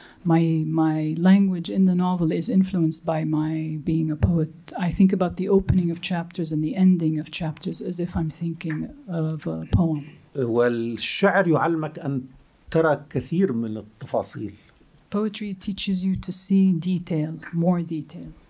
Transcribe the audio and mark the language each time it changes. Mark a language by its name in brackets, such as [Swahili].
[English] My language in the novel is influenced by my being a poet. I think about the opening of chapters and the ending of chapters as if I'm thinking of a poem. [Arabic] والشعر يعلمك أن ترى كثير من التفاصيل. [English] Poetry teaches you to see detail, more detail.